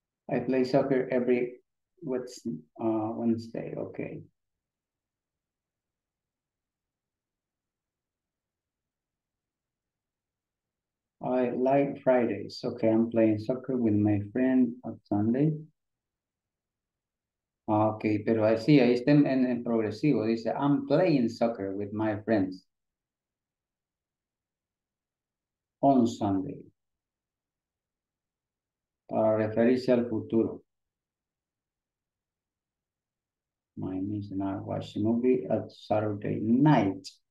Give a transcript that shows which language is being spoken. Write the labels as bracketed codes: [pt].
[en] I play soccer every Wednesday, okay. I like Fridays, okay. I'm playing soccer with my friend on Sunday. [es] Okay, pero [en] I see, [es] ahí está en progresivo. Dice, [en] I'm playing soccer with my friends on Sunday. [es] Para referirse al futuro. [en] My niece and I watch a movie at Saturday night.